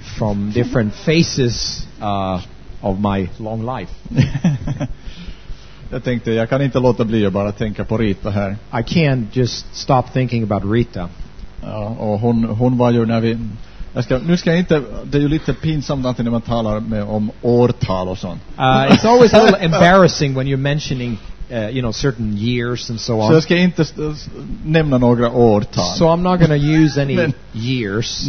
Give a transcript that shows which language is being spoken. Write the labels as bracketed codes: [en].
[en] From different faces of my long life. [sv] Jag tänkte, jag kan inte låta bli att bara tänka på Rita här. [en] I can't just stop thinking about Rita. [sv] Och hon var ju när vi... det är ju lite pinsamt när man talar med om årtal och sånt. [en] It's always a little embarrassing when you're mentioning certain years and so on. [sv] Så jag ska inte nämna några årtal. [en] So I'm not going to use any years.